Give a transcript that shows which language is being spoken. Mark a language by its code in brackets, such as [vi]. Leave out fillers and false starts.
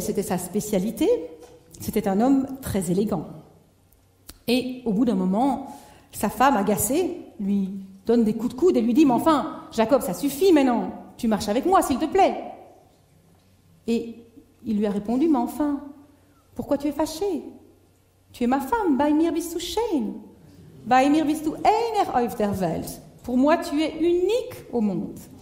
[fr] C'était sa spécialité. C'était un homme très élégant. Et au bout d'un moment, sa femme, agacée, lui donne des coups de coude et lui dit « Mais enfin, Jacob, ça suffit maintenant, tu marches avec moi, s'il te plaît. » Et il lui a répondu « Mais enfin, pourquoi tu es fâché? Tu es ma femme, [de] bei mir bist du schön, bei mir bist du einer auf der Welt. [fr] Pour moi, tu es unique au monde. »